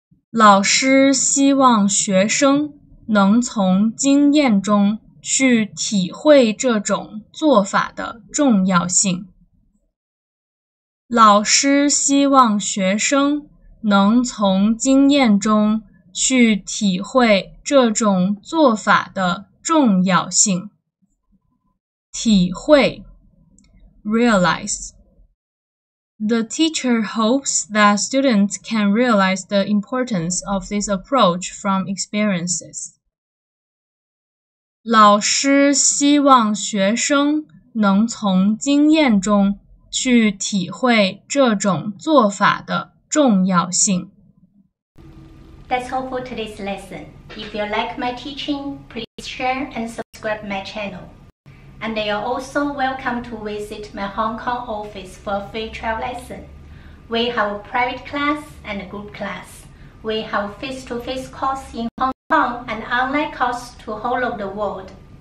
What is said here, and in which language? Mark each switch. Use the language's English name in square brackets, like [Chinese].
[Chinese] 老师希望学生能从经验中去体会这种做法的重要性。老师希望学生能从经验中去体会这种做法的重要性。体会 Realize. [English] The teacher hopes that students can realize the importance of this approach from experiences. [Chinese] 老师希望学生能从经验中去体会这种做法的重要性。 [English] That's all for today's lesson. If you like my teaching, please share and subscribe my channel. And you're also welcome to visit my Hong Kong office for a free trial lesson. We have a private class and a group class. We have face-to-face course in Hong Kong and online course to whole of the world.